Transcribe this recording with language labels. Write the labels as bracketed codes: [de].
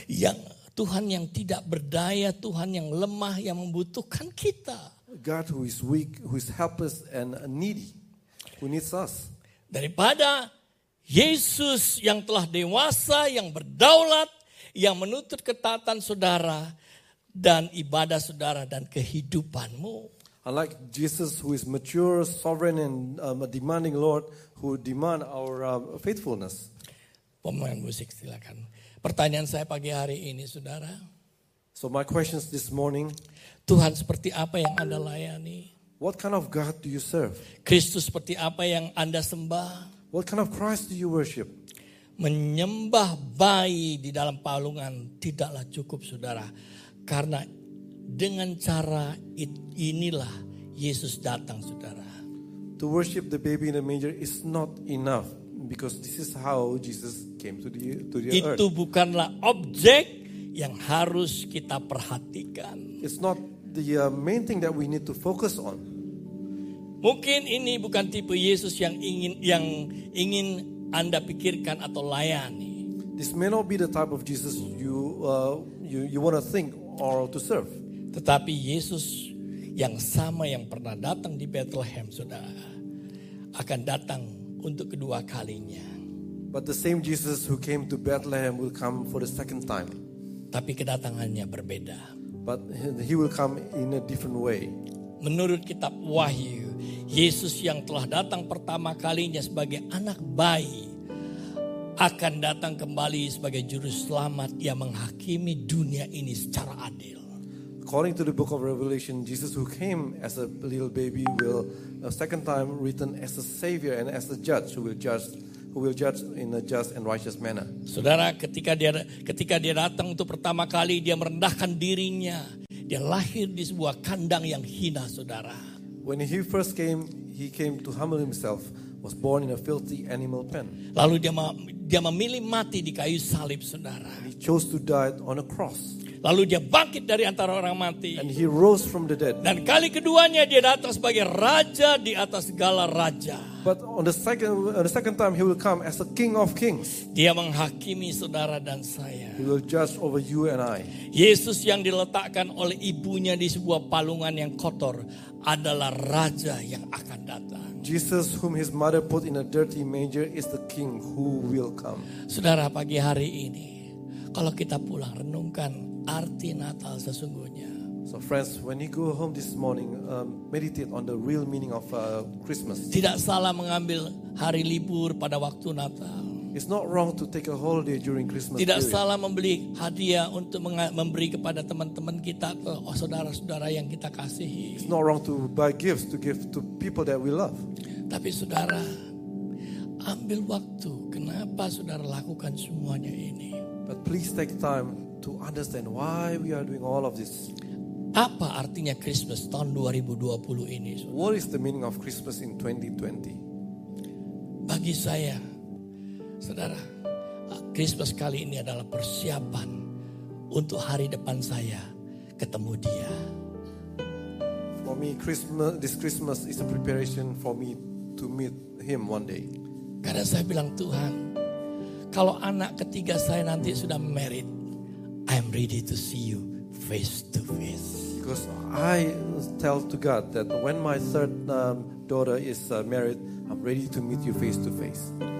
[id] Yang Tuhan yang tidak berdaya, Tuhan yang lemah, yang membutuhkan kita. [en] God who is weak, who is helpless and needy, who needs us. [id] Daripada Yesus yang telah dewasa, yang berdaulat, yang menuntut ketaatan saudara dan ibadah saudara dan kehidupanmu. [en] Unlike Jesus who is mature, sovereign and a demanding Lord who demand our faithfulness. [id] Pemain musik silakan. Pertanyaan saya pagi hari ini, saudara. [en] So my questions this morning. [id] Tuhan seperti apa yang Anda layani? [en] What kind of God do you serve? [id] Kristus seperti apa yang Anda sembah? [en] What kind of Christ do you worship? [id] Menyembah bayi di dalam palungan tidaklah cukup, saudara. Karena dengan cara inilah Yesus datang, saudara. [en] To worship the baby in the manger is not enough. Because this is how Jesus came to the earth. [id] Itu bukanlah objek yang harus kita perhatikan. [en] It's not the main thing that we need to focus on. [id] Mungkin ini bukan tipe Yesus yang ingin Anda pikirkan atau layani. [en] This may not be the type of Jesus you want to think or to serve. [id] Tetapi Yesus yang sama yang pernah datang di Bethlehem sudah akan datang untuk kedua kalinya. [en] But the same Jesus who came to Bethlehem will come for the second time. [id] Tapi kedatangannya berbeda. [en] But he will come in a different way. [id] Menurut kitab Wahyu, Yesus yang telah datang pertama kalinya sebagai anak bayi akan datang kembali sebagai juru selamat yang menghakimi dunia ini secara adil. [en] According to the book of Revelation, Jesus who came as a little baby will a second time return as a savior and as a judge who will judge in a just and righteous manner. [id] Saudara, ketika dia datang untuk pertama kali, dia merendahkan dirinya. Dia lahir di sebuah kandang yang hina, saudara. [en] When he first came, he came to humble himself, was born in a filthy animal pen. [id] Lalu dia memilih mati di kayu salib, saudara. [en] He chose to die on a cross. [id] Lalu dia bangkit dari antara orang mati. [en] And he rose from the dead. [id] Dan kali keduanya dia datang sebagai raja di atas segala raja. [en] But on the second time he will come as a king of kings. [id] Dia menghakimi saudara dan saya. [en] He will judge over you and I. [id] Yesus yang diletakkan oleh ibunya di sebuah palungan yang kotor adalah raja yang akan datang. [en] Jesus whom his mother put in a dirty manger is the king who will come. [id] Saudara, pagi hari ini kalau kita pulang renungkan arti Natal sesungguhnya. [en] So friends, when you go home this morning, meditate on the real meaning of Christmas. [id] Tidak salah mengambil hari libur pada waktu Natal. [en] It's not wrong to take a holiday during Christmas. [id] Tidak salah membeli hadiah untuk memberi kepada teman-teman kita atau saudara-saudara yang kita kasihi. [en] It's not wrong to buy gifts to give to people that we love. [id] Tapi saudara, ambil waktu. Kenapa saudara lakukan semuanya ini? [en] But please take time to understand why we are doing all of this. [id] Apa artinya Christmas tahun 2020 ini? Saudara? [en] What is the meaning of Christmas in 2020? [id] Bagi saya, saudara, Christmas kali ini adalah persiapan untuk hari depan saya ketemu dia. [en] For me, this Christmas is a preparation for me to meet him one day. [id] Karena saya bilang, Tuhan, kalau anak ketiga saya nanti sudah married, [en] I'm ready to see you face to face. Because I tell to God that when my third daughter is married, I'm ready to meet you face to face.